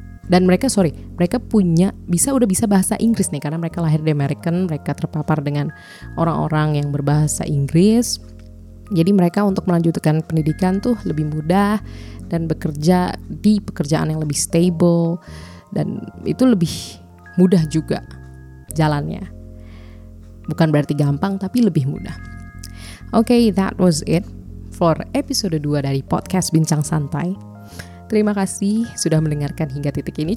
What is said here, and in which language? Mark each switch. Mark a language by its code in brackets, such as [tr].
[id] Dan mereka bisa bahasa Inggris nih, karena mereka lahir di Amerika, mereka terpapar dengan orang-orang yang berbahasa Inggris. Jadi mereka untuk melanjutkan pendidikan tuh lebih mudah dan bekerja di pekerjaan yang lebih stable dan itu lebih mudah juga jalannya. Bukan berarti gampang tapi lebih mudah. [en] Okay, that was it for episode 2 [id] dari [en] podcast Bincang Santai. [id] Terima kasih sudah mendengarkan hingga titik ini.